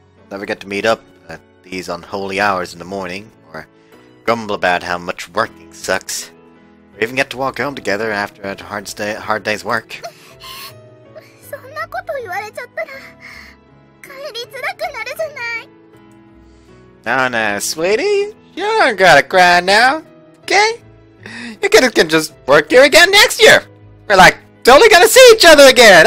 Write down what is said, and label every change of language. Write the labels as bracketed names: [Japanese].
[English] Never get to meet up at these unholy hours in the morning, or grumble about how much working sucks, or even get to walk home together after a hard day's work. [Japanese] そんなこと言われちゃったら帰りづらくなるじゃない。 [English] Oh no, sweetie, you don't gotta cry now, okay? You kids can just work here again next year. We're like totally gonna see each other again.